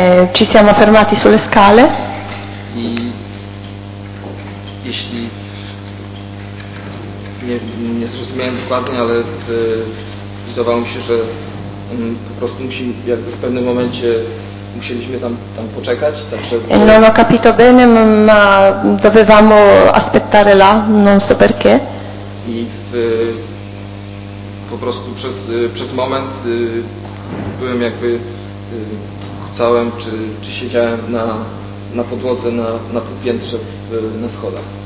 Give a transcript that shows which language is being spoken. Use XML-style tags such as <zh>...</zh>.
<it>Ci siamo fermati sulle scale.</it> <pl>I jeśli nie zrozumiałem dokładnie, ale wydawało mi się, że po prostu jakby w pewnym momencie musieliśmy tam poczekać, także...</pl> <it>Non ho capito bene, ma dovevamo aspettare là, non so perché.</it> <pl>I po prostu przez moment byłem leżałem jakby całym, czy siedziałem na podłodze, na piętrze, na schodach.</pl>